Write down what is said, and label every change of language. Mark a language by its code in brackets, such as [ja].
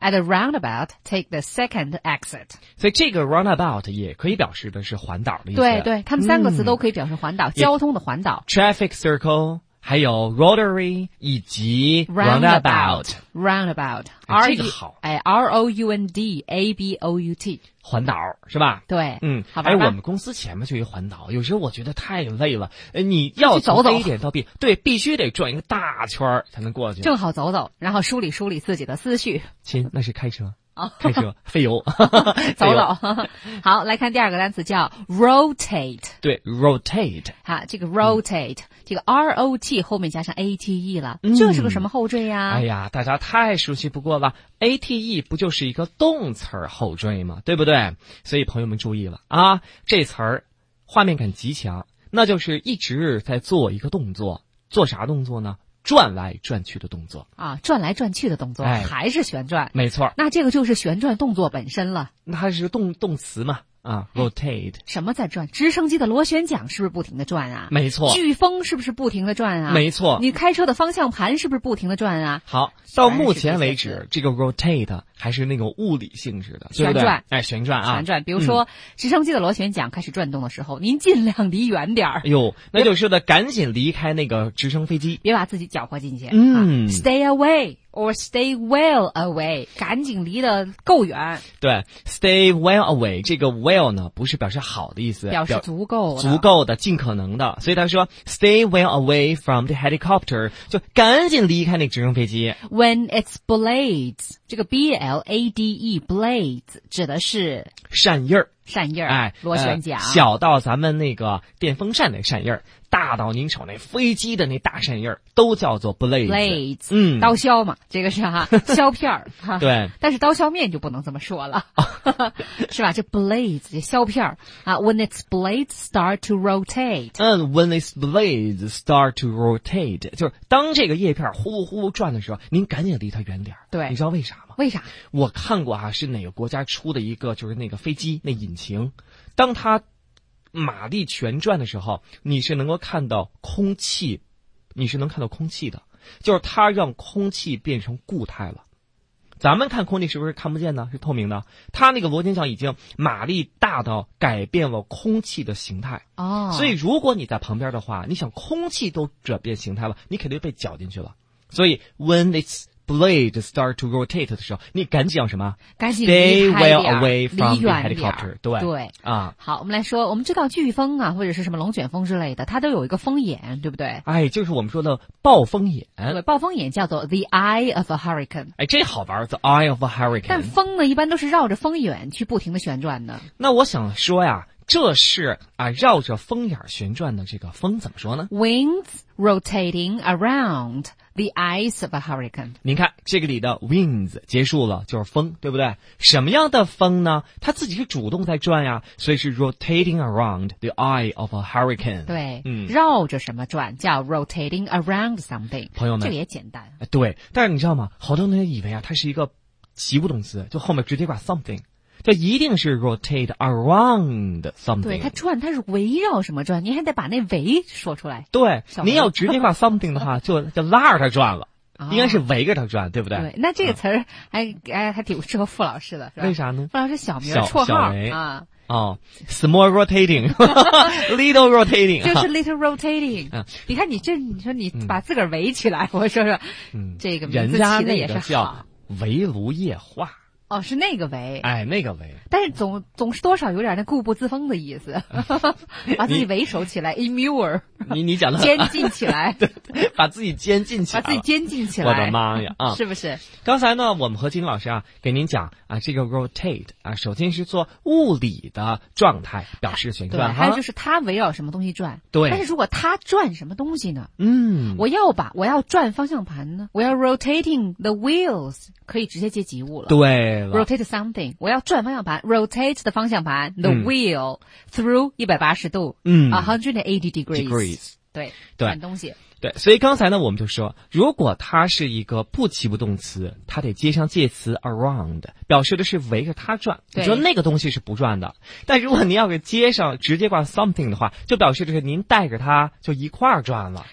[en] At the roundabout, take the second exit. [zh] 所以这个 roundabout 也可以表示的是环岛的意思。对对，他们三个词都可以表示环岛，交通的环岛。 [en] Traffic circle, [zh] 还有 [en] rotary, [zh] 以及 [en] roundabout。 roundabout。 [zh] 这个好。 [en] 哎 ,roundabout。 [zh] 环岛是吧？对，嗯，好吧。哎，我们公司前面就一环岛，有时候我觉得太累了。你要走走一点到 B， 对，必须得转一个大圈才能过去。正好走走，然后梳理梳理自己的思绪。亲，那是开车啊，开车费油。走走。好，来看第二个单词叫 rotate。对 ，rotate。哈，这个 rotate，嗯，这个 R O T 后面加上 A T E 了，嗯，这是个什么后缀呀？哎呀，大家太熟悉不过了。A T E 不就是一个动词后缀吗？对不对？所以朋友们注意了啊，这词儿画面感极强，那就是一直在做一个动作，做啥动作呢？转来转去的动作啊，转来转去的动作，哎，还是旋转，没错。那这个就是旋转动作本身了。那它是动词嘛？啊 ，rotate。什么在转？直升机的螺旋桨是不是不停的转啊？没错。飓风是不是不停的转啊？没错。你开车的方向盘是不是不停的转啊？好，到目前为止，这个 rotate 还是那个物理性质的，旋转。哎，旋转啊，旋转。比如说，直升机的螺旋桨开始转动的时候，您尽量离远点儿。哟，那就是的，赶紧离开那个直升飞机，别把自己搅和进去。嗯， [en] 啊 ，stay away。 Or stay well away， [zh] 赶紧离得够远。对 ，stay well away， 这个 well 呢，不是表示好的意思，表示足够的、足够的、尽可能的。所以他说 ， [en] stay well away from the helicopter， [zh] 就赶紧离开那直升飞机。 [en] When its blades， [zh] 这个 [en] B L A D E blades [zh] 指的是扇叶儿。扇叶儿，哎，螺旋桨，小到咱们那个电风扇的扇叶儿，大到您瞅那飞机的那大扇叶儿，都叫做 blades。 [en] blades， [zh] 嗯，刀削嘛，这个是哈，削片儿，哈，对，但是刀削面就不能这么说了，是吧？ [en] 这 blades， [zh] 这削片儿啊 [en] ，when its blades start to rotate， [zh] 嗯 ， [en] when its blades start to rotate， [zh] 就是当这个叶片呼呼转的时候，您赶紧离它远点儿。对，你知道为啥？为啥？我看过啊，是哪个国家出的一个，就是那个飞机那引擎，当它马力全转的时候，你是能够看到空气，你是能看到空气的，就是它让空气变成固态了，咱们看空气是不是看不见呢？是透明的。它那个螺旋桨已经马力大到改变了空气的形态。哦。所以如果你在旁边的话，你想空气都转变形态了，你肯定被搅进去了。所以 [en] when it's blade start to rotate [zh] 的时候，你赶紧要什么？赶紧 [en] stay well away from the helicopter。 [zh] 对对啊，好，我们来说，我们知道飓风啊，或者是什么龙卷风之类的，它都有一个风眼，对不对？哎，就是我们说的暴风眼。对，暴风眼叫做 [en] the eye of a hurricane。 [zh] 哎，这好玩 ，the eye of a hurricane。但风呢，一般都是绕着风眼去不停的旋转的。那我想说呀，这是啊，绕着风眼旋转的这个风怎么说呢 [en] ？Winds rotating around the eyes of a hurricane。 [zh] 您看这个里的 winds 结束了，就是风，对不对？什么样的风呢？它自己是主动在转呀，所以是 [en] rotating around the eye of a hurricane。 [zh] 对，绕着什么转叫 [en] rotating around something。 [zh] 朋友们，这个也简单。对，但是你知道吗？好多人以为啊，它是一个及物动词，就后面直接挂 something。这一定是 rotate around something。对，它转，它是围绕什么转？您还得把那围说出来。对，您要直接挂 something 的话，就拉着它转了、哦，应该是围着它转，对不对？对，那这个词儿还挺适合傅老师的，是吧？为啥呢？傅老师小名小绰号小啊。 [en] 哦 ，small rotating， little rotating，就是 little rotating。 [zh] 嗯，你看你这，你说你把自个儿围起来，我说说，这个名字起的也是好，围炉夜话。哦，是那个围，哎，那个围，但是总是多少有点那固步自封的意思，把自己围守起来 ，immure，你讲的监禁起来，把自己监禁起来，把自己监禁起来，我的妈呀，啊，是不是？刚才呢，我们和金老师啊，给您讲啊，这个 rotate 啊，首先是做物理的状态表示旋转，对，还有就是它围绕什么东西转，对，但是如果它转什么东西呢？嗯，我要转方向盘呢，我要 [en] rotating the wheels。 [zh] 可以直接接及物了。对了，rotate something， 我要转方向盘 ，rotate 的方向盘 ， [en] the wheel through [zh] 180度，180 degrees， 对，对，转东西。对，所以刚才呢，我们就说，如果它是一个不及物动词，它得接上介词 around， 表示的是围着它转。对，你说那个东西是不转的，但如果您要给接上直接挂 something 的话，就表示的是您带着它就一块儿转了。